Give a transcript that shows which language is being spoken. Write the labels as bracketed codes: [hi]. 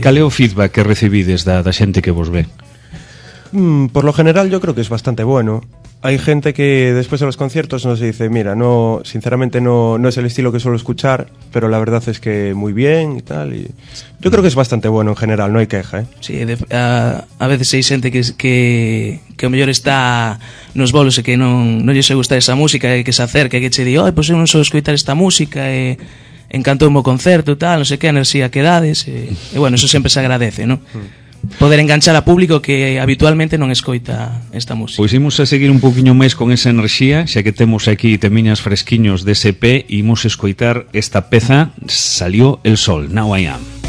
[gl] ¿Cale o feedback que recibides da xente que vos ve? [es] Por lo general yo creo que es bastante bueno. Hay gente que después de los conciertos nos dice, mira, no, sinceramente no es el estilo que suelo escuchar, pero la verdad es que muy bien y tal. Y yo creo que es bastante bueno en general, no hay queja, ¿eh? Sí, a veces hay gente que a lo mejor está en los bolos y que no les gusta esa música, que se acerca y que se dice, ay, pues yo no suelo escuchar esta música, encantó un buen concierto, tal, no sé qué, energía que dades, y bueno, eso siempre se agradece, ¿no? [gl] Poder enganchar a público que habitualmente non escoita esta música. Pois imos a seguir un poquinho máis con esa enerxía, xa que temos aquí temiñas fresquiños de SP, imos a escoitar esta peza, Salió el Sol, Now I Am.